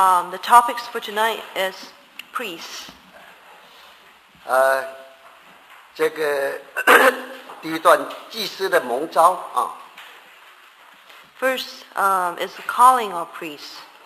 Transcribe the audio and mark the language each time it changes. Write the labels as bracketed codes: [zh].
[en] The topics for tonight is priests. [zh] 这个第一段祭司的蒙召。 [en] First is the calling of priests.